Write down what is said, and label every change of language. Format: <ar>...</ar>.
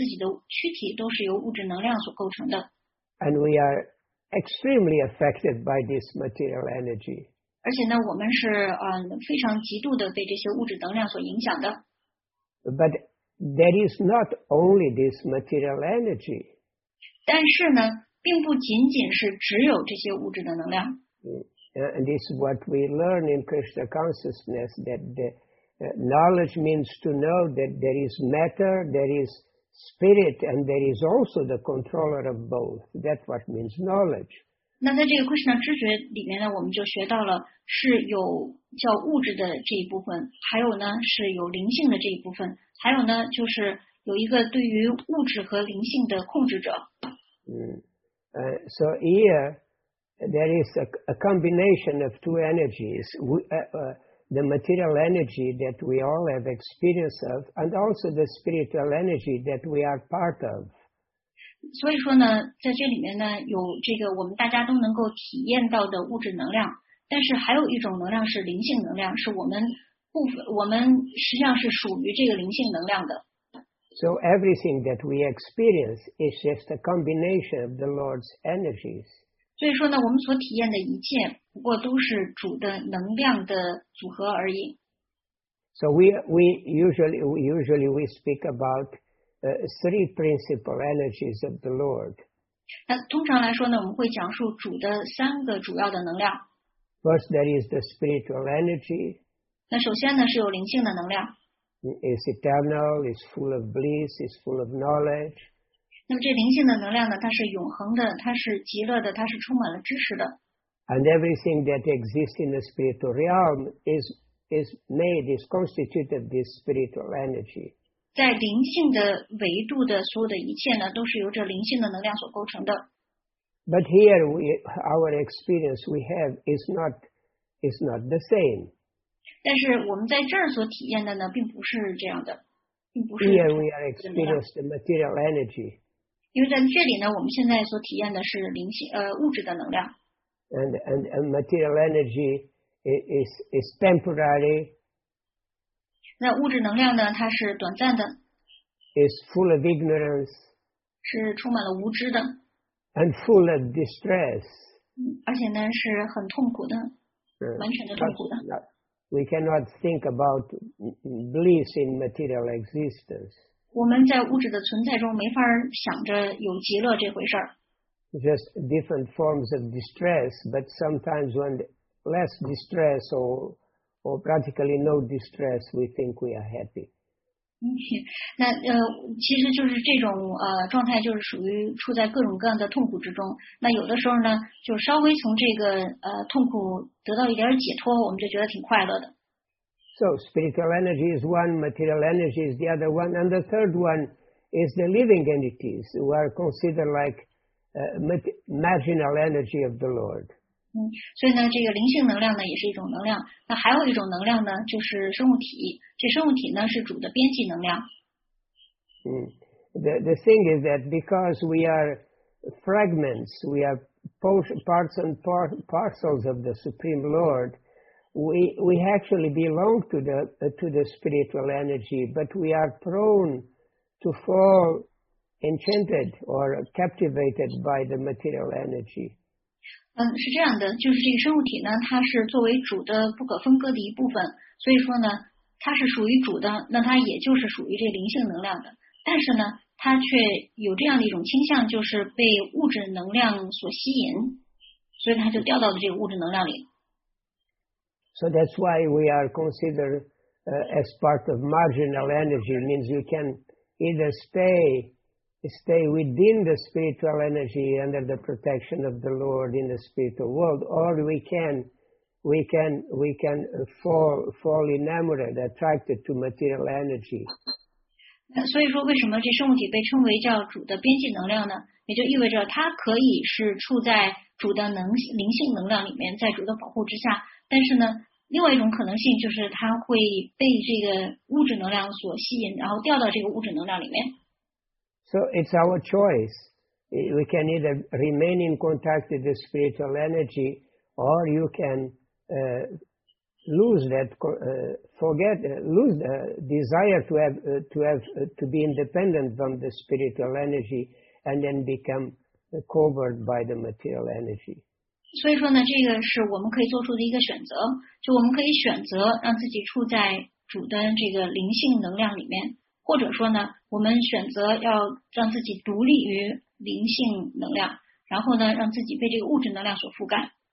<zh>在我们身边周遭的一切，包括我们自己的躯体，都是由物质能量所构成的。</zh> <en>And we are extremely affected by this material energy.</en> <zh>而且呢，我们是非常极度的被这些物质能量所影响的。</zh> <en>But there is not only this material energy.</en> <zh>但是呢，并不仅仅是只有这些物质的能量。</zh> <en>And this is what we learn in Krishna consciousness, that the knowledge means to know that there is matter, there is spirit, and there is also the controller of both. That's what means knowledge.</en> <zh>那在这个Krishna知觉里面呢，我们就学到了是有叫物质的这一部分，还有呢是有灵性的这一部分，还有呢就是有一个对于物质和灵性的控制者。</zh> <en>So here, there is a combination of two energies, the material energy that we all have experience of, and also the spiritual energy that we are part of.</en> <zh>所以说呢，在这里面呢，有这个我们大家都能够体验到的物质能量，但是还有一种能量是灵性能量，是我们部分，我们实际上是属于这个灵性能量的。</zh> <en>So everything that we experience is just a combination of the Lord's energies.</en> <zh>所以说呢，我们所体验的一切，不过都是主的能量的组合而已。</zh> <en>So we usually speak about three principal energies of the Lord.</en> <zh>那通常来说呢，我们会讲述主的三个主要的能量。</zh> <en>First, there is the spiritual energy.</en> <zh>那首先呢，是有灵性的能量。</zh> <en>It's eternal, it's full of bliss, it's full of knowledge.</en> <zh>那么这灵性的能量呢，它是永恒的，它是极乐的，它是充满了知识的。</zh> <en>And everything that exists in the spiritual realm is constituted this spiritual energy.</en> <zh>在灵性的维度的所有的一切呢，都是由这灵性的能量所构成的。</zh> <en>But here our experience we have is not the same.</en> <zh>但是我们在这儿所体验的呢，并不是这样的，并不是。</zh> <en>Here we are experiencing the material energy.</en> <zh>因为在这里呢，我们现在所体验的是灵性物质的能量。</zh> <en>And material energy is temporary.</en> <zh>那物质能量呢，它是短暂的。</zh> <en>Is full of ignorance.</en> <zh>是充满了无知的。</zh> <en>And full of distress.</en> <zh>而且呢是很痛苦的，完全的痛苦的。</zh> <en>We cannot think about bliss in material existence.</en> <zh>我们在物质的存在中没法想着有极乐这回事儿。</zh> <en>Just different forms of distress, but sometimes when less distress or practically no distress, we think we are happy.</en> <zh>那其实就是这种状态，就是属于处在各种各样的痛苦之中。那有的时候呢，就稍微从这个痛苦得到一点解脱，我们就觉得挺快乐的。</zh> <en>So spiritual energy is one, material energy is the other one, and the third one is the living entities who are considered like marginal energy of the Lord.</en> <zh>所以呢，这个灵性能量呢也是一种能量。那还有一种能量呢，就是生物体。这生物体呢是主的边际能量。</zh> <en>The thing is that because we are fragments, we are parts and parcels of the Supreme Lord, we actually belong to the spiritual energy, but we are prone to fall enchanted or captivated by the material energy.</en> <zh>是这样的，就是这个生物体呢，它是作为主的不可分割的一部分，所以说呢，它是属于主的，那它也就是属于这灵性能量的。但是呢，它却有这样的一种倾向，就是被物质能量所吸引，所以它就掉到了这个物质能量里。</zh> <en>So that's why we are considered as part of marginal energy, means you can either stay within the spiritual energy under the protection of the Lord in the spiritual world, or we can fall enamored, attracted to material energy.</en> <zh>所以说为什么这生物体被称为叫主的边际能量呢？也就意味着它可以是处在主的灵性能量里面，在主的保护之下，但是呢，另外一种可能性就是它会被这个物质能量所吸引，然后掉到这个物质能量里面。</zh> <en>So it's our choice. We can either remain in contact with the spiritual energy, or you can lose the desire to be independent from the spiritual energy, and then become covered by the material energy.</en> <zh>所以说呢，这个是我们可以做出的一个选择。就我们可以选择让自己处在主的这个灵性能量里面。或者说呢，我们选择要让自己独立于灵性能量，然后呢，让自己被这个物质能量所覆盖。</zh>